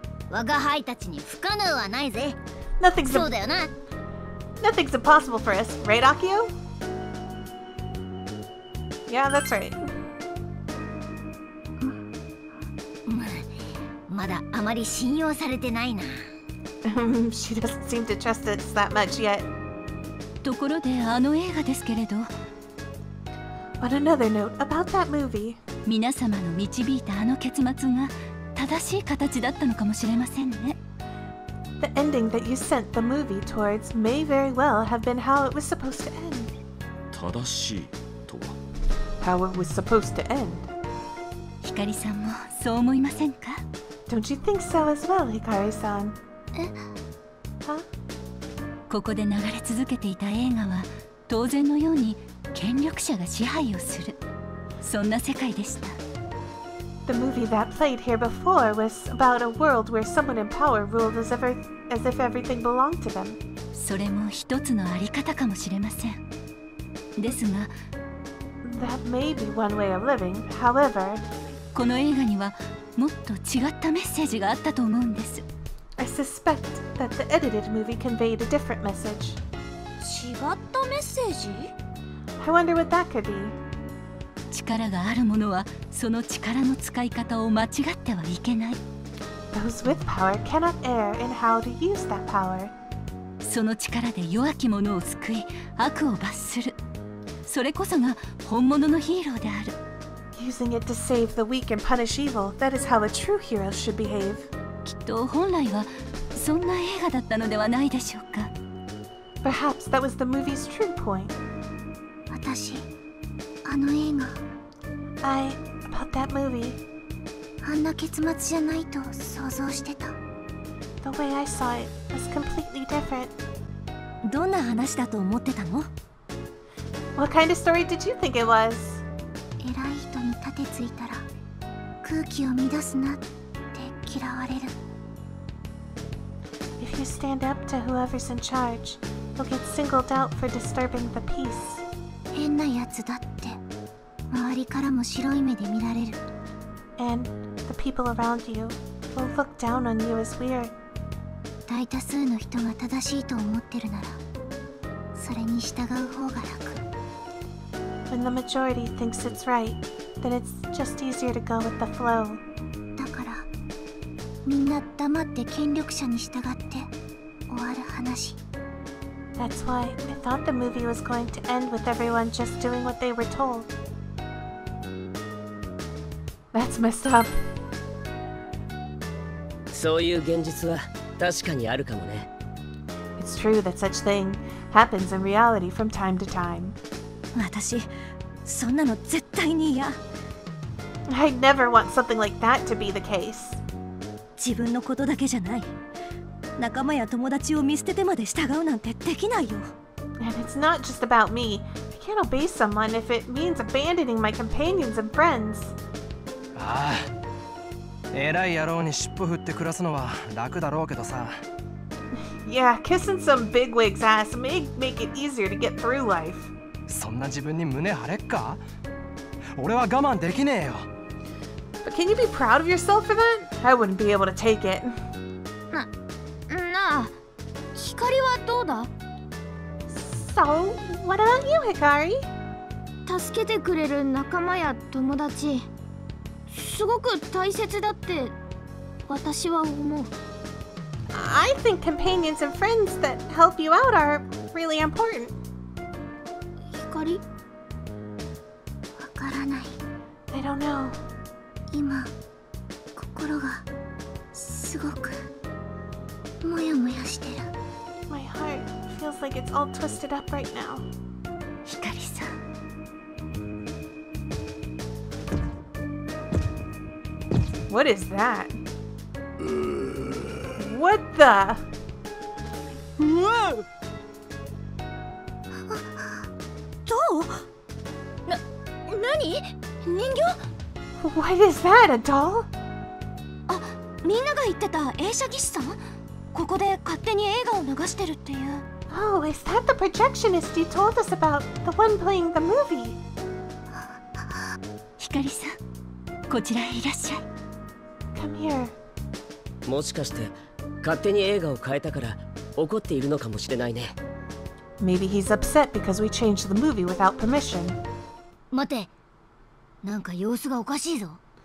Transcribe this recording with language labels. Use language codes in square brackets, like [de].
[ja] 我が輩たちに不可能はないぜ。 [en] Nothing's [ja] そうだよな。 [en] Nothing's impossible for us, right, Akio? Yeah, that's right. [ja] まだあまり信用されてないな。 [en] She doesn't seem to trust us that much yet. [ja] ところで、あの映画ですけれど。 [en] But another note about that movie. [ja] 皆様の導いたあの結末が正しい形だったのかもしれませんね。 [en] The ending that you sent the movie towards may very well have been how it was supposed to end. [ja] 正しいとは? [en] How it was supposed to end. [ja] 光さんもそう思いませんか? [en] Don't you think so as well, Hikari-san? Huh? [ja] ここで流れ続けていた映画は、当然のように権力者が支配をする。そんな世界でした。 [en] The movie that played here before was about a world where someone in power ruled as if everything belonged to them. [ja] それも一つのあり方かもしれません。ですが、 [en] That may be one way of living, however... [ja] この映画には、もっと違ったメッセージがあったと思うんです。 [en] I suspect that the edited movie conveyed a different message. [ja] 違ったメッセージ? [en] I wonder what that could be. [ja] 力があるものはその力の使い方を間違ってはいけない。 [en] Those with power cannot err in how to use that power. [ja] その力で弱き者を救い、悪を罰する。それこそが本物のヒーローである。 [en] Using it to save the weak and punish evil, that is how a true hero should behave. [ja] きっと本来はそんな映画だったのではないでしょうか? [en] Perhaps that was the movie's true point. [ja] 私、あの映画… [en] I… about that movie. [ja] あんな結末じゃないと想像してた。 [en] The way I saw it was completely different. [ja] どんな話だと思ってたの? [en] What kind of story did you think it was? [ja] てついたら空気を乱すなって嫌われる。 [en] If you stand up to whoever's in charge, you'll get singled out for disturbing the peace. [ja] 変なやつだって周りからも白い目で見られる。 [en] And the people around you will look down on you as weird. [ja] 大多数の人が正しいと思ってるなら、それに従う方が楽。 [en] When the majority thinks it's right. Then it's just easier to go with the flow. [ja] だから、みんな黙って権力者に従って終わる話。 [en] That's why I thought the movie was going to end with everyone just doing what they were told. That's messed up. [ja] そういう現実は確かにあるかもね。 [en] It's true that such thing happens in reality from time to time. [ja] 私、そんなの絶対に嫌。 [en] I'd never want something like that to be the case. [ja] 自分のことだけじゃない。仲間や友達を見捨ててまで従うなんてできないよ。 [en] And it's not just about me. I can't obey someone if it means abandoning my companions and friends. [ja] ああ、偉い野郎に尻尾振って暮らすのは楽だろうけどさ。 [en] Yeah, kissing some bigwig's ass may make it easier to get through life. [ja] そんな自分に胸張れっか? 俺は我慢できねえよ。 [en] But can you be proud of yourself for that? I wouldn't be able to take it. [ja] なあ、光はどうだ? [en] So, what about you, Hikari? [ja] 助けてくれる仲間や友達、すごく大切だって私は思う。 [en] I think companions and friends that help you out are really important. [ja] Hikari? わからない。 [en] I don't know. [ja] 今、心がすごくもやもやしてる。 [en] My heart feels like it's all twisted up right now. [ja] Hikari-san. [en] What is that? What the? Whoa! Doll? [ja] Nani? Ningyo? [en] What is that? A doll? [ja] Ah, Mina が言ってた映写技師さん？ここで勝手に映画を流してるっていう。 [en] Oh, is that the projectionist you told us about? The one playing the movie? [ja] Hikari-san, こちらへいらっしゃい。もしかして勝手に映画を変えたから怒っているのかもしれないね。 [en] Maybe he's upset because we changed the movie without permission. [ja] 待て、なんか様子がおかしいぞ。